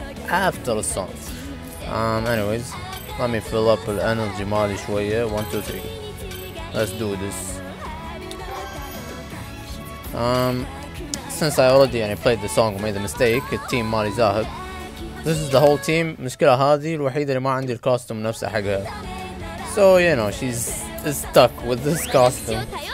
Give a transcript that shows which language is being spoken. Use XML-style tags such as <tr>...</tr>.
<en>After the song. Anyways, let me fill up the energy</en> <ar>mali shwaya.</ar> <en>1, 2, 3. Let's do this. Since I already played the song, made a mistake. Team Mali Zahab. This is the whole team.</en> <ar>مشكلة هذه الوحيدة اللي ما عندي الكوستوم نفسه حقها.</ar> <en>So you know she's stuck with this costume.</en>